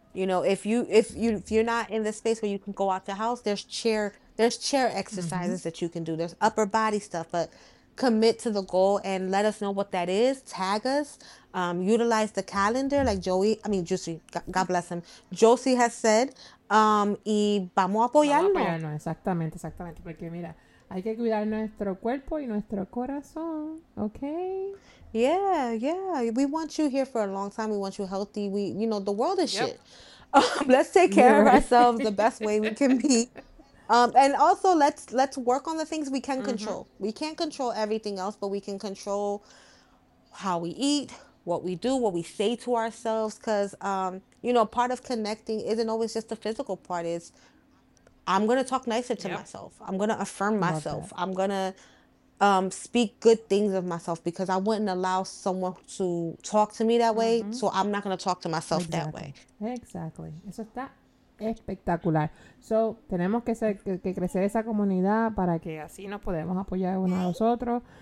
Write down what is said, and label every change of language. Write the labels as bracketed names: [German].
[English] You know, if you're not in the space where you can go out the house, there's chair exercises mm-hmm. that you can do. There's upper body stuff, but commit to the goal and let us know what that is. Tag us. Utilize the calendar like Juicy, God bless him. [Spanish] Josie [English] has said, [Spanish] y vamos apoyarnos. Exactamente. Porque mira, hay que cuidar nuestro cuerpo y nuestro corazón, okay? [English] Yeah. We want you here for a long time. We want you healthy. We, you know, the world is yep. shit. Let's take care of ourselves the best way we can be. And also let's work on the things we can control. Mm-hmm. We can't control everything else, but we can control how we eat, what we do, what we say to ourselves. Cause, you know, part of connecting isn't always just the physical part. It's I'm going to talk nicer to yep. myself. I'm going to affirm myself. I'm going to, speak good things of myself because I wouldn't allow someone to talk to me that way. Mm-hmm. So I'm not going to talk to myself exactly. that way. [Spanish] Exactly. Eso está espectacular. So tenemos que ser, que crecer esa comunidad para que así nos podemos apoyar unos a los otros.